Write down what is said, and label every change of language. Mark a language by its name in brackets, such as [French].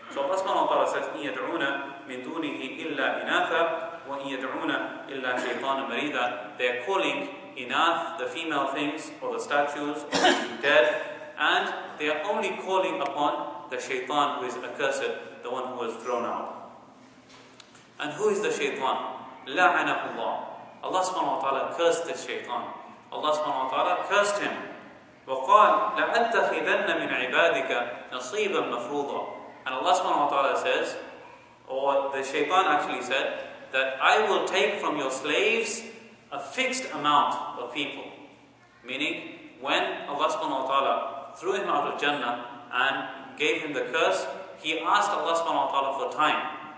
[English] So Allah subhanahu wa ta'ala says, [Arabic] إِن يَدْعُونَ مِن دُونِهِ إِلَّا إِنَاثًا وَإِن يَدْعُونَ إِلَّا شَيْطَانًا مَرِيدًا. [English] They are calling inath, the female things, or the statues, or the dead, and they are only calling upon the shaytan who is accursed, the one who was thrown out. And who is the shaytan? [Arabic] لَعَنَهُ اللَّهُ. [English] Allah subhanahu wa ta'ala cursed this shaytan. Allah subhanahu wa ta'ala cursed him. [Arabic] وقال لأتخذن من عبادك نصيبا مفروضا. [English] And Allah subhanahu wa ta'ala says, or the shaytan actually said, that I will take from your slaves a fixed amount of people. Meaning, when Allah subhanahu wa ta'ala threw him out of Jannah and gave him the curse, he asked Allah subhanahu wa ta'ala for time.